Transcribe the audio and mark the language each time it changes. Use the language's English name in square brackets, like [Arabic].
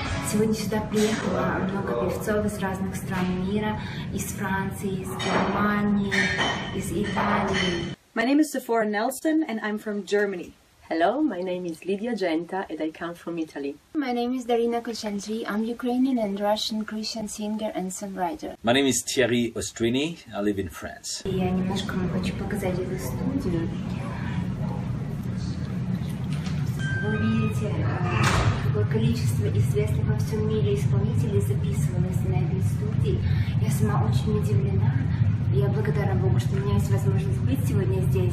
[Russian] Сегодня сюда приехало много певцов из разных стран мира, из Франции, из Германии, из Италии. [English] My name is Sephora Nelson and I'm from Germany. Hello, my name is Lydia Genta and I come from Italy. My name is Darina Kochandri. I'm Ukrainian and Russian Christian singer and songwriter. My name is Thierry Ostrini. I live in France. [Russian] Я немножко хочу показать эту студию. Вы видите, какое количество известных во всем мире исполнителей записывалось на этой студии. Я сама очень удивлена. Я благодарна Богу, что у меня есть возможность быть сегодня здесь.